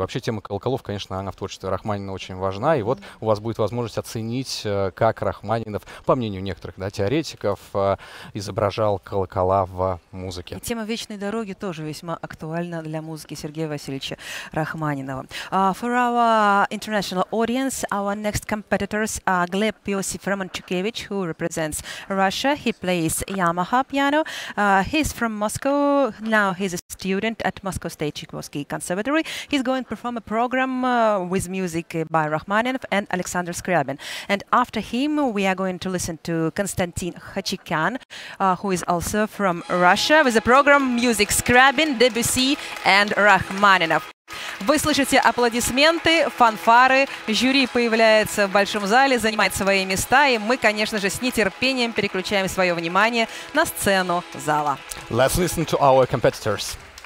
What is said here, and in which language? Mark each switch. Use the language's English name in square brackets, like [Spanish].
[Russian] Вообще тема колоколов, конечно, она в творчестве Рахманинова очень важна, и вот у вас будет возможность оценить, как Рахманинов, по мнению некоторых, да, теоретиков, изображал колокола в музыке. И тема вечной дороги тоже весьма актуальна для музыки Сергея Васильевича Рахманинова. [English] For our international audience, our next competitors are Gleb Yosif Romanchukevich, who represents Russia. He plays Yamaha piano. He's from Moscow. Now he's a student at Moscow State Chaikovsky Conservatory. He's going to perform a program with music by Rachmaninov and Alexander Scriabin. And after him, we are going to listen to Konstantin Khachikyan, who is also from Russia, with a program music Scriabin, Debussy and Rachmaninov. [Russian] Вы слышите аплодисменты, фанфары, жюри появляется в большом зале, занимает свои места, и мы, конечно же, с нетерпением переключаем свое внимание на сцену зала. [English] Let's listen to our competitors.